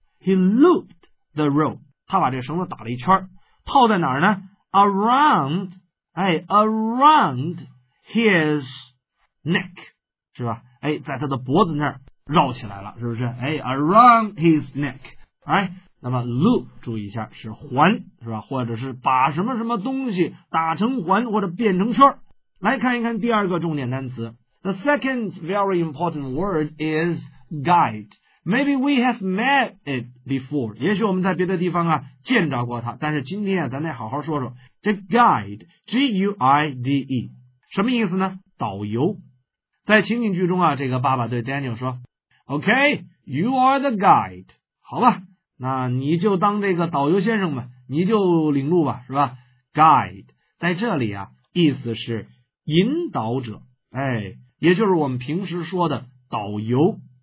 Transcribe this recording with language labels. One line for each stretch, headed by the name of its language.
English: He looped the rope.
Chinese: 他把这绳子打了一圈，套在哪儿呢 ？Around, 哎 ，
English: around his neck，
Chinese: 是吧？哎，在他的脖子那儿绕起来了，是不是？哎 ，
English: around his neck，
Chinese: 哎，那么 loop 注意一下是环，是吧？或者是把什么什么东西打成环或者变成圈。来看一看第二个重点单词 ，
English: The second very important word is。
Chinese: Guide.
English: Maybe we have met it before.
Chinese: 也许我们在别的地方啊见着过它，但是今天啊咱得好好说说。这 guide, G-U-I-D-E, 什么意思呢？导游。在情景剧中啊，这个爸爸对 Daniel 说 ,
English: Okay, you are the guide.
Chinese: 好吧，那你就当这个导游先生吧，你就领路吧，是吧 ?Guide, 在这里啊意思是引导者，哎，也就是我们平时说的导游。